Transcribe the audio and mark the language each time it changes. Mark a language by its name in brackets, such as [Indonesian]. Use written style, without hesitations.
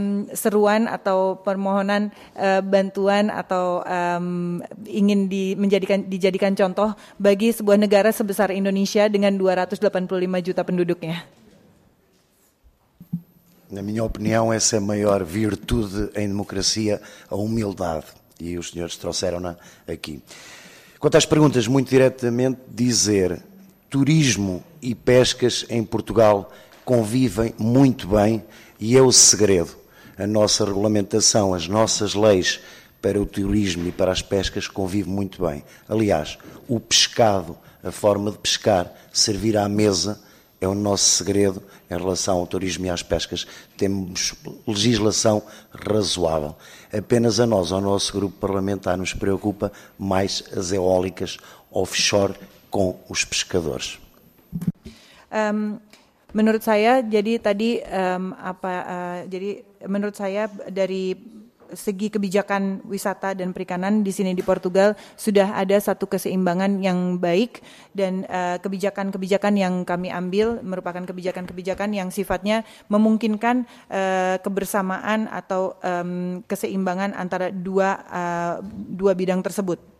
[Indonesian] seruan atau permohonan bantuan atau ingin dijadikan contoh bagi sebuah negara sebesar Indonesia dengan 285 juta penduduknya. [Portuguese] Na minha opinião, essa é a maior virtude em democracia, a humildade. E os senhores trouxeram-na aqui. Quanto às perguntas, muito diretamente dizer: turismo e pescas em Portugal convivem muito bem e é o segredo. A nossa regulamentação, as nossas leis para o turismo e para as pescas convivem muito bem. Aliás, o pescado, a forma de pescar, servir à mesa, é o nosso segredo em relação ao turismo e às pescas. Temos legislação razoável. Apenas a nós, ao nosso grupo parlamentar, nos preocupa mais as eólicas offshore com os pescadores. [Indonesian] Menurut saya, jadi tadi apa? Jadi menurut saya dari segi kebijakan wisata dan perikanan di sini di Portugal sudah ada satu keseimbangan yang baik, dan kebijakan-kebijakan yang kami ambil merupakan kebijakan-kebijakan yang sifatnya memungkinkan kebersamaan atau keseimbangan antara dua bidang tersebut.